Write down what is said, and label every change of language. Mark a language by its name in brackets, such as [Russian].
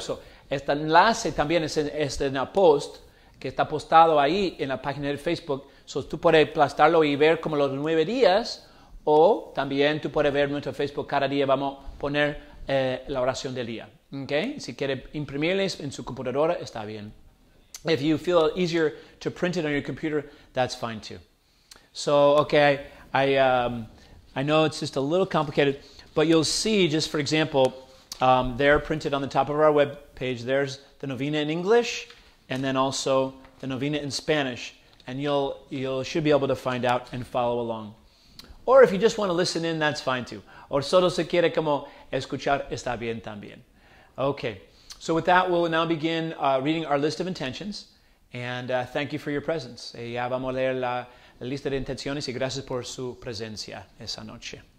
[Spanish] So, este enlace también es en el post, que está postado ahí en la página de Facebook. So, tú puedes aplastarlo y ver como los 9 días, o también tú puedes ver nuestro Facebook. Cada día vamos a poner la oración del día. Okay? Si quiere imprimirles en su computadora, está bien. [English] If you feel easier to print it on your computer, that's fine too. So, okay, I know it's just a little complicated, but you'll see, just for example, there printed on the top of our web page, there's the novena in English, and then also the novena in Spanish, and you'll should be able to find out and follow along. Or if you just want to listen in, that's fine too. [Spanish] Or solo se quiere como escuchar, está bien también. [English] Okay, so with that, we'll now begin reading our list of intentions, and thank you for your presence. [Spanish] Ya vamos a leer la lista de intenciones y gracias por su presencia esa noche.